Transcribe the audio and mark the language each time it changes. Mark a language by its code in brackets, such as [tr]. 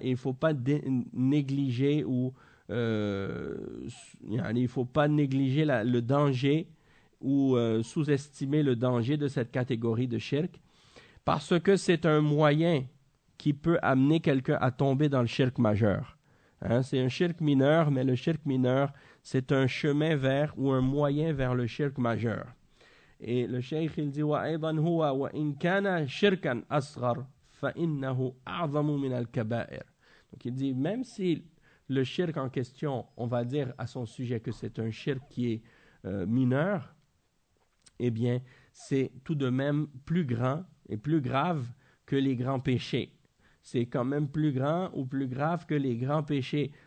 [fr] Il ne faut pas négliger ou... il faut pas négliger le danger ou sous-estimer le danger de cette catégorie de shirk, parce que c'est un moyen qui peut amener quelqu'un à tomber dans le shirk majeur. Hein, c'est un shirk mineur, mais le shirk mineur, c'est un chemin vers ou un moyen vers le shirk majeur. Et le shaykh, il dit, [ar] وَأَيْضًا هُوَ وَإِنْ كَانَ شِرْكًا أَصْغَرْ فَإِنَّهُ أَعْظَمُ مِنَ الْكَبَائِرِ. [fr] Donc il dit, même si le shirk en question, on va dire à son sujet que c'est un shirk qui est mineur, eh bien, c'est tout de même plus grand et plus grave que les grands péchés. C'est quand même plus grand ou plus grave que les grands péchés.